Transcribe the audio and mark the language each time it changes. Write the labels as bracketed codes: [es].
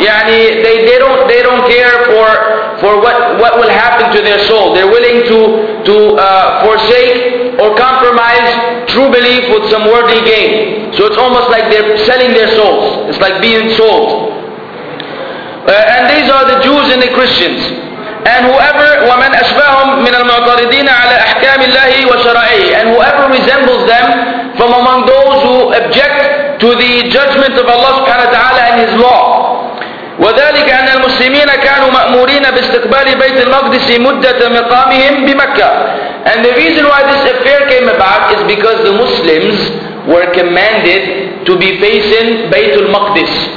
[en] Yani they don't care for what will happen to their soul. They're willing to forsake or compromise true belief with some worldly gain. So it's almost like they're selling their souls. It's like being sold. And these are the Jews and the Christians. And whoever, [ar] وَمَنْ أَشْبَاهُمْ مِنَ الْمُعْتَرِدِينَ عَلَىٰ أَحْكَامِ اللَّهِ وَشَرَعِهِ. [en] And whoever resembles them from among those who object to the judgment of Allah subhanahu wa ta'ala and His law. [ar] وَذَلِكَ أَنَّ الْمُسْلِمِينَ كَانُوا مَأْمُورِينَ بِاسْتِقْبَالِ بَيْتِ الْمَقْدِسِ مُدَّةَ مِقَامِهِمْ بِمَكَّةِ. [en] And the reason why this affair came about is because the Muslims were commanded to be facing Baytul Maqdis.